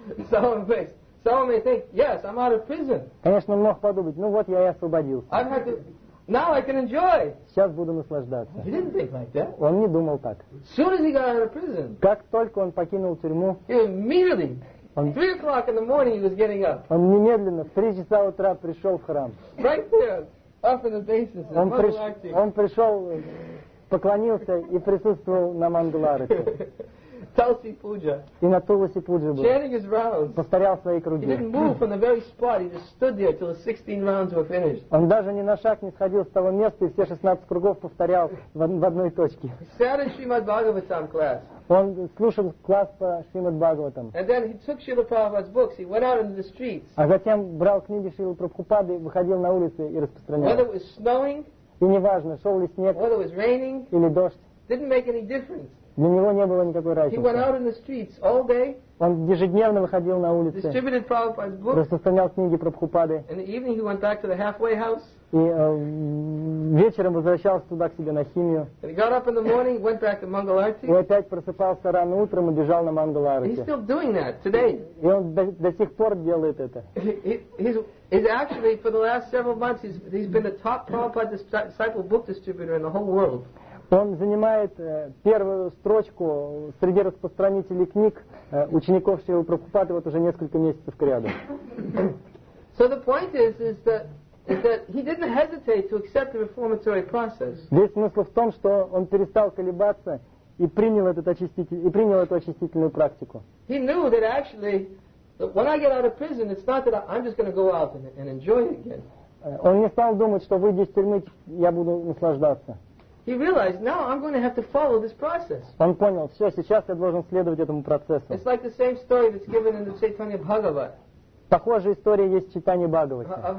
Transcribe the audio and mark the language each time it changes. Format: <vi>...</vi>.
<en>Some may think, yes, I'm out of prison.</en> <ru>Конечно, мог подумать, ну вот я и освободился.</ru> <en>Now I can enjoy.</en> <ru>Сейчас буду наслаждаться.</ru> <en>He didn't think like that.</en> <ru>Он не думал так.</ru> <en>As soon as he got out of prison.</en> <ru>Как только он покинул тюрьму.</ru> <en>Immediately. At 3 o'clock in the morning, he was getting up.</en> <ru>Он немедленно в 3 часа утра пришел в храм.</ru> <en>Right there, up in the basis.</en> <ru>Он пришел, поклонился и присутствовал на мангаларате.</ru> <en>Tulsi Puja.</en> <ru>И на Туласи Пуджа был.</ru> <en>Chanting his rounds.</en> <ru>Повторял свои круги.</ru> <en>He didn't move from the very spot. He just stood there till the 16 rounds were finished.</en> <ru>Он даже ни на шаг не сходил с того места и все 16 кругов повторял в одной точке.</ru> <en>Sat in Srimad Bhagavatam class.</en> <ru>Он слушал класс по Шримад Бхагаватам.</ru> <en>And then he took Srila Prabhupada's books. He went out into the streets.</en> <ru>А затем брал книги Шрилы Прабхупады, выходил на улицы и распространял.</ru> <en>Whether it was snowing.</en> <ru>И неважно, шел ли снег.</ru> <en>Whether it was raining.</en> <ru>Или дождь.</ru> <en>Didn't make any difference.</en> <ru>Для него не было никакой разницы.</ru> <en>He went out in the streets all day.</en> <ru>Он ежедневно выходил на улицы.</ru> <en>Distributed Prabhupada's books.</en> <ru>Распространял книги Прабхупады.</ru> <en>In the evening he went back to the halfway house.</en> <ru>И вечером возвращался туда к себе на химию.</ru> <en>And he got up in the morning, went back to Mangalarti.</en> <ru>И опять просыпался рано утром и бежал на Мангаларати.</ru> <en>He's still doing that today.</en> <ru>И он до сих пор делает это.</ru> <en>He's actually for the last several months he's been the top Prabhupada disciple book distributor in the whole world.</en> <ru>Он занимает первую строчку среди распространителей книг учеников Шрилы Прабхупады вот уже несколько месяцев кряду.</ru> <en>So the point is that he didn't hesitate to accept the reformatory process.</en> <ru>Весь смысл в том, что он перестал колебаться и принял эту очистительную практику.</ru> <en>He knew that actually when I get out of prison, it's not that I'm just going to go out and enjoy it again.</en> <ru>Он не стал думать, что выйдя из тюрьмы, я буду наслаждаться.</ru> <en>He realized, now I'm going to have to follow this process.</en> <ru>Он понял, все, сейчас я должен следовать этому процессу.</ru> <en>It's like the same story that's given in the Chaitanya Bhagavat.</en> <ru>Похожая история есть в Чайтанье Бхагавате.</ru>